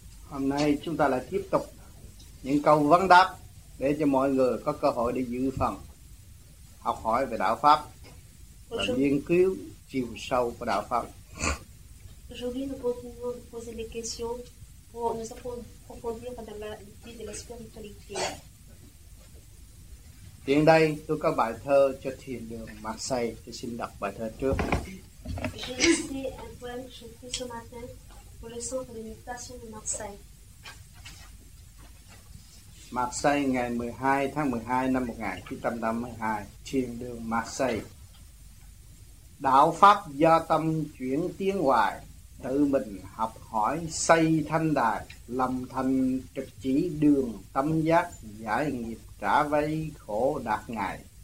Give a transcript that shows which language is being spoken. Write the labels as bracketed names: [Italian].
[Vietnamese] Hôm nay chúng ta lại tiếp tục những câu vấn đáp để cho mọi người có cơ hội để dự phần học hỏi về đạo pháp và nghiên cứu chiều sâu của đạo pháp. [French] Aujourd'hui nous pouvons poser des questions pour nous approfondir dans la vie de la spiritualité. [Vietnamese] Hiện đây tôi có bài thơ cho thiền đường Mạc Xây, tôi xin đọc bài thơ trước. [French] J'ai écrit un poème que j'ai écrit ce matin pour le centre de méditation de Marseille. [Vietnamese] Marseille, ngày 12 tháng 12 năm 1982, thiền đường Marseille. Đạo pháp do tâm chuyển tiến hoài, tự mình học hỏi xây thanh đài, lầm thành trực chỉ đường tâm giác, giải nghiệp trả vây khổ đạt ngày.